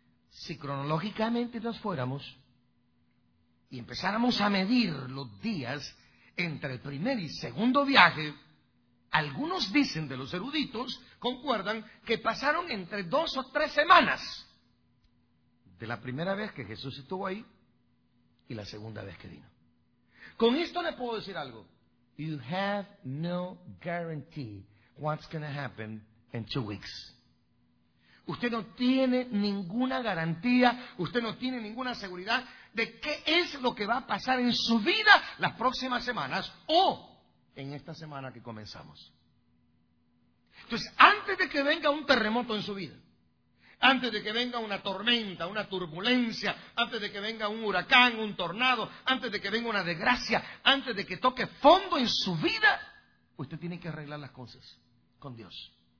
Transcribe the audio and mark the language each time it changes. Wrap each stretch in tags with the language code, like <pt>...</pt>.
<es>Si cronológicamente nos fuéramos y empezáramos a medir los días entre el primer y segundo viaje, algunos dicen de los eruditos, concuerdan, que pasaron entre 2 o 3 semanas de la primera vez que Jesús estuvo ahí y la segunda vez que vino. Con esto les puedo decir algo.</es> <en>You have no guarantee what's going to happen in 2 weeks.</en> <es>Usted no tiene ninguna garantía, usted no tiene ninguna seguridad de qué es lo que va a pasar en su vida las próximas semanas o en esta semana que comenzamos. Entonces, antes de que venga un terremoto en su vida, antes de que venga una tormenta, una turbulencia, antes de que venga un huracán, un tornado, antes de que venga una desgracia, antes de que toque fondo en su vida, usted tiene que arreglar las cosas con Dios.</es>